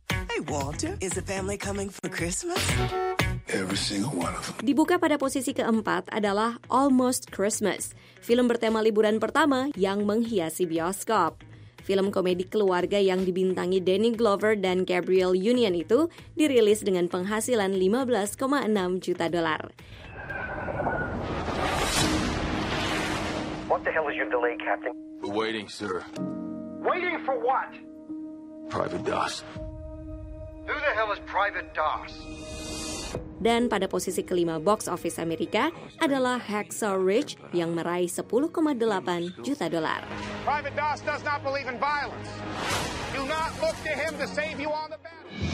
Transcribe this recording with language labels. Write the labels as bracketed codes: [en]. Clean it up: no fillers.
[en] Hey Walter, is the family coming for Christmas? Every single one of them. [id] Dibuka pada posisi keempat adalah Almost Christmas, film bertema liburan pertama yang menghiasi bioskop. Film komedi keluarga yang dibintangi Danny Glover dan Gabriel Union itu dirilis dengan penghasilan $15.6 juta. [en] What the hell is your delay, Captain? We're waiting, sir. Waiting for what? Private Doss. Who the hell is Private Doss? [id] Dan pada posisi kelima box office Amerika adalah Hacksaw Ridge yang meraih $10.8 juta. [en] Private Doss does not believe in violence. Do not look to him to save you on the battle.